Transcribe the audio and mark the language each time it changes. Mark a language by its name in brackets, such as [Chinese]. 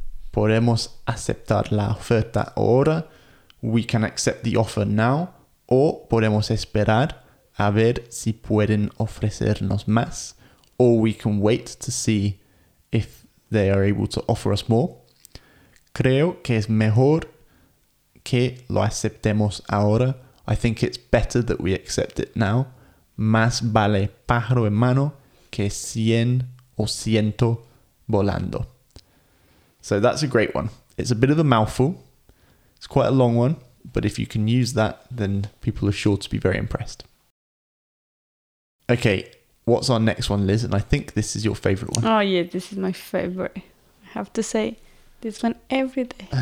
[English] Podemos aceptar la oferta ahora. We can accept the offer now. [Spanish] O podemos esperar a ver si pueden ofrecernos más. [English] Or we can wait to see if they are able to offer us more. [Spanish] Creo que es mejor que lo aceptemos ahora. [English] I think it's better that we accept it now. [Spanish] Más vale pájaro en mano que cien o ciento volando. [English] So that's a great one. It's a bit of a mouthful. It's quite a long one. But if you can use that, then people are sure to be very impressed. Okay, what's our next one, Liz? And I think this is your favorite one. Oh, yeah, this is my favorite. I have to say this one every day.